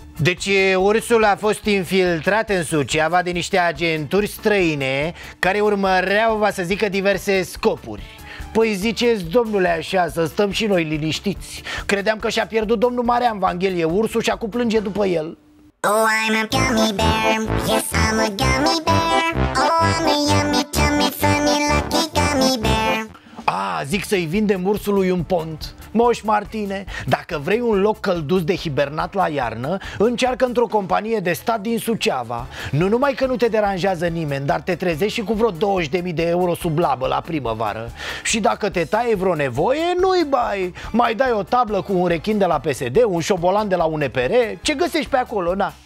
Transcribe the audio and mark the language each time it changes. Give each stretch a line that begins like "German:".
Romanian: Deci ursul a fost infiltrat în Suceava de niște agenturi străine care urmăreau, va să zică, diverse scopuri. Păi ziceți, domnule, așa, să stăm și noi liniștiți. Credeam că și-a pierdut domnul Marean Vanghelie ursul și acum plânge după el.
English: Oh, I'm a gummy bear, yes, I'm a gummy bear. Oh, I'm a yummy, yummy, funny, lucky gummy bear.
Romanian: A, zic să-i vindem ursului un pont. Moș Martine, dacă vrei un loc călduț de hibernat la iarnă, încearcă într-o companie de stat din Suceava. Nu numai că nu te deranjează nimeni, dar te trezești și cu vreo 20.000 de euro sub labă la primăvară. Și dacă te taie vreo nevoie, nu-i bai. Mai dai o tablă cu un rechin de la PSD, un șobolan de la UNPR, ce găsești pe acolo, na?